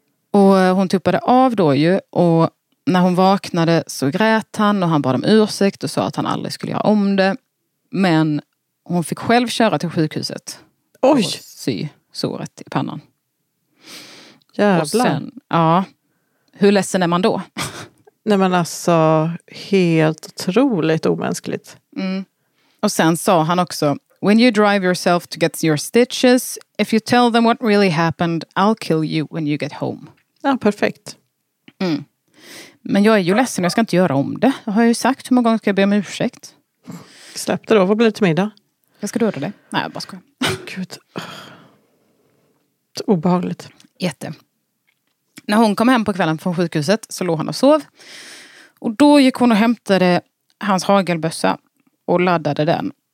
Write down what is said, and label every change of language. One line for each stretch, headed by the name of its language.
Swedish: Och hon tuppade av då ju, och när hon vaknade så grät han och han bad om ursäkt och sa att han aldrig skulle göra om det. Men hon fick själv köra till sjukhuset. Oj. Och sy såret i pannan. Jävlar. Ja. Hur ledsen är man då? Nej men alltså, helt otroligt omänskligt. Mm.
English: Och sen sa han också, when you drive yourself to get your stitches, if you tell them what really happened, I'll kill you when you get home.
Swedish: Ja, perfekt. Mm. Men jag är ju ledsen, jag ska inte göra om det. Jag har ju sagt, hur många gånger ska jag be om ursäkt? Släpp det då, vad blir det till middag? Jag ska döda dig. Nej, jag bara ska. Gud. Obehagligt. Jätte. När hon kom hem på kvällen från sjukhuset så låg han och sov. Och då gick hon och hämtade hans hagelbössa och laddade den.